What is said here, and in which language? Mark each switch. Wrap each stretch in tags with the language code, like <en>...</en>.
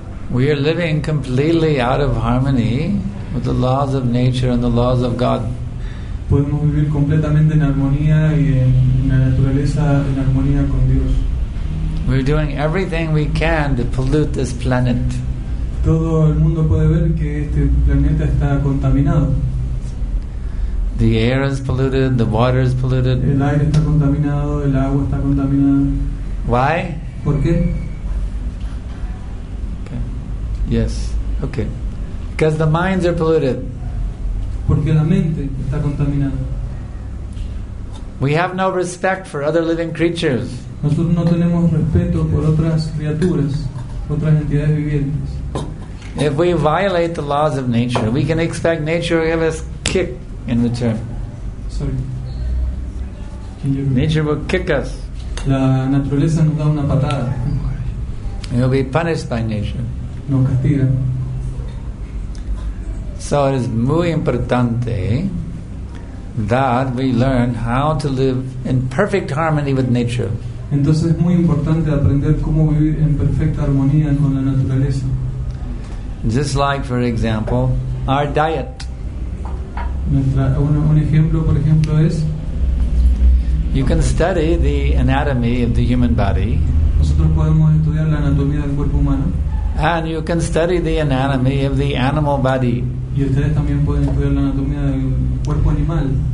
<en>We are living completely out of harmony with the laws of nature and the laws of God.</en> <es>Podemos vivir completamente en armonía y en la naturaleza en armonía con Dios.</es> <en>We're doing everything we can to pollute this planet.</en> <es>Todo el mundo puede ver que este planeta está contaminado.</es> <en>The air is polluted, the water is polluted.</en> <es>El aire está contaminado, el agua está contaminada.</es> <en>Why?</en> <es>¿Por qué?</es> <en>Okay. Yes. Okay. Because the minds are polluted.</en> <es>Porque la mente está contaminada.</es> <en>We have no respect for other living creatures.</en> <es>Nosotros no tenemos respeto por otras criaturas, otras entidades vivientes.</es> <en>If we violate the laws of nature, we can expect nature to give us kick. In return. Sorry. Nature will kick us.</en> <es>La naturaleza nos da una patada.</es> <en>And we'll be punished by nature.</en> <es>Nos castiga.</es> <en>So it is</en> <es>muy importante</es> <en>that we learn how to live in perfect harmony with nature.</en> <es>Entonces es muy importante aprender cómo vivir en perfecta armonía con la naturaleza.</es> <en>Just like, for example, our diet. You can study the anatomy of the human body.</en> <es>Nosotros podemos estudiar la anatomía del cuerpo humano.</es> <en>And you can study the anatomy of the animal body.</en> <es>Y ustedes también pueden estudiar la anatomía del cuerpo animal.</es>